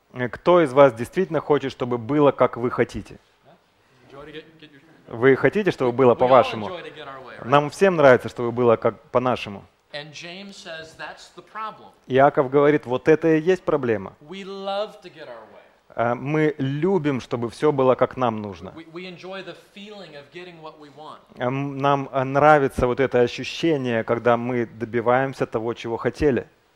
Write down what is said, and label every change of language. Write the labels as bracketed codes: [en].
[ru] Кто из вас действительно хочет, чтобы было, как вы хотите? Вы хотите, чтобы было по-вашему? Нам всем нравится, чтобы было как по-нашему. [en] And James says, that's the problem. [ru] Иаков говорит, вот это и есть проблема. [en] We love to get our way. [ru] Мы любим, чтобы все было как нам нужно. [en] We enjoy the feeling of getting what we want. [ru] Нам нравится вот это ощущение, когда мы добиваемся того, чего хотели.